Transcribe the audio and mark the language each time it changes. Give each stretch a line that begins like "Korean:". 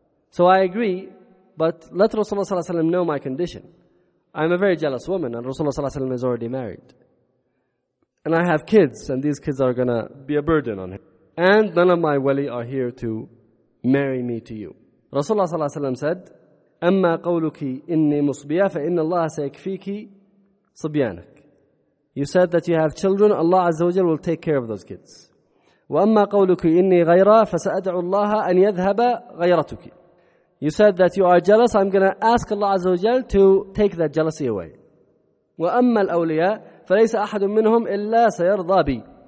English: So I agree, but let Rasulullah sallallahu alayhi wa sallam know my condition. I'm a very jealous woman, and Rasulullah sallallahu alayhi wa sallam is already married. And I have kids, and these kids are going to be a burden on him. And none of my wali are here to marry me to you.
Arabic: Rasulullah sallallahu alayhi wa sallam said, أَمَّا قَوْلُكِ إِنِّي مُصْبِيَا فَإِنَّ اللَّهَ سَيَكْفِيكِ صِبْيَانَكِ.
English: You said that you have children, Allah Azza wa Jal will take care of those kids.
Arabic: وَأَمَّا قَوْلُكِ إِنِّي غَيْرَا فَسَأَدْعُ اللَّهَ أَنْ يَذْهَبَ غَيْرَتُكِ.
English: You said that you are jealous, I'm going to ask Allah Azza wa Jal to take that jealousy away.
Arabic: وَأَمَّا الْأَوْلِيَا فَلَيْسَ أَحَدٌ مِّنْهُمْ إِلَّا سَيَرْضَى بِي.